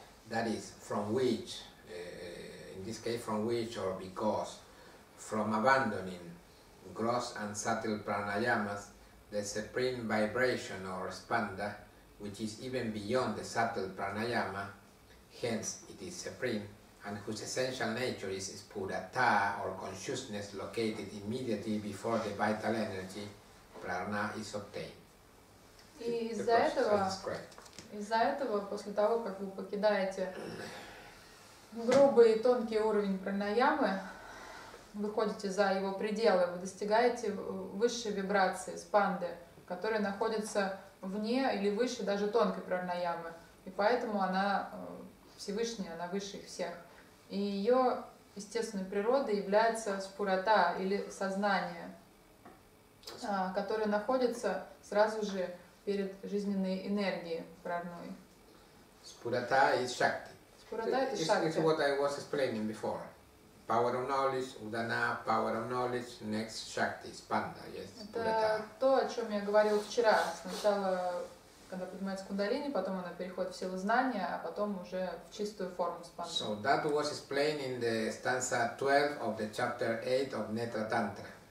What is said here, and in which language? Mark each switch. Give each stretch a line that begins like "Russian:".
English: That is from which, in this case from which or because, from abandoning gross and subtle pranayamas, the supreme vibration or spanda, which is even beyond the subtle pranayama, hence it is supreme, and whose essential nature is spurata or consciousness located immediately before the vital energy, prana is obtained.
Russian: И из-за этого, после того, как вы покидаете грубый и тонкий уровень пранаямы, выходите за его пределы, вы достигаете высшей вибрации, спанды, которая находится вне или выше даже тонкой пранаямы. И поэтому она Всевышняя, она выше их всех. И ее естественной природой является спурата или сознание, которое находится сразу же перед жизненной энергией прарной. Спурата и шакти. Спурата и шакти.
English: It's what I was explaining before. power of knowledge, udana, power of knowledge, next shakti, spanda, yes.
Russian: Это то, о чем я говорил вчера. Сначала, когда поднимается кундалини, потом она переходит в силу знания, а потом уже в чистую форму спанды.
English: So that was explained in the stanza 12 of the chapter 8 of Netra Tantra.